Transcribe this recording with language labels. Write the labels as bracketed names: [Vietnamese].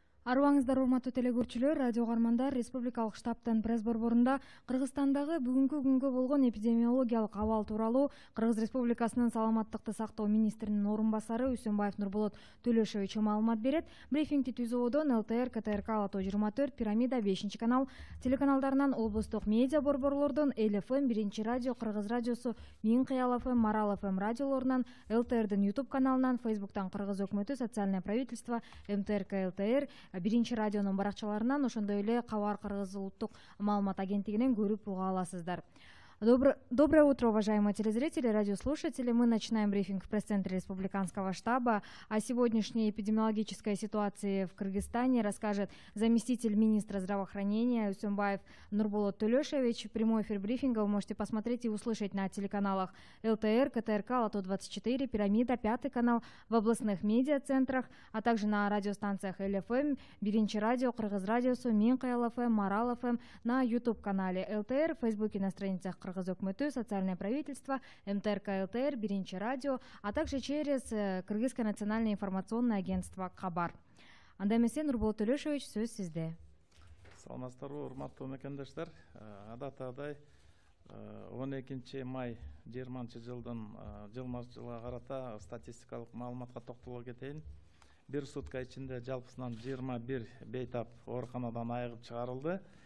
[Kyrgyz] Аруаңыздар, урматтуу телекөрүүчүлөр, радио кагармандар, республикалык штабтын пресс борборунда Кыргызстандагы бүгүнкү күнгө болгон эпидемиологиялык абал тууралуу Кыргыз Республикасынын саламаттыкты сактоо министринин орун басары Үсөнбаев Нурболот Төлөшович маалымат берет. Брифингти түзүүдөн ЛТР, КТРК, Алатау 24, Пирамида, 5-чи канал телеканалдарынан облустук медиа борборлордон LFM, 1-чи радио, Кыргыз радиосу, Мин Кыял FM, Марал FM радиолорунан, ЛТРдин YouTube каналынан, Facebookтан Кыргыз өкмөтү, социальное правительство, МТРК, ЛТР. Биринчи радионун баракчаларынан ошондой эле Кабар Кыргыз улуттук маалымат агенттигинен көрүп уга аласыздар. [Russian] Доброе утро, уважаемые телезрители, радиослушатели. Мы начинаем брифинг в пресс-центре республиканского штаба. О сегодняшней эпидемиологической ситуации в Кыргызстане расскажет заместитель министра здравоохранения Үсөнбаев Нурболот Төлөшович. Прямой эфир брифинга вы можете посмотреть и услышать на телеканалах ЛТР, КТРК, Алатау 24, Пирамида, 5-й канал, в областных медиа-центрах, а также на радиостанциях ЛФМ, Биринчи радио, Кыргыз радиосу, Мин Кыял ФМ, Марал ФМ, на YouTube-канале ЛТР, в Фейсбуке на страницах Кыргыз өкмөтү, социальное правительство, МТРК, ЛТР, Биринчи радио, а также через Кыргызское национальное информационное агентство Кабар. [Kyrgyz] Андамесе Нурболот Төлөшович, сөз сизде. Саламатсыздарбы, урматтуу мекендештер. Адаттагыдай 12 май 20-чы жылдын жылма-жылга карата статистикалык маалыматка токтоло кетейин. Бир сутка ичинде жалпысынан 21 бейтап ооруканадан айыгып чыгарылды.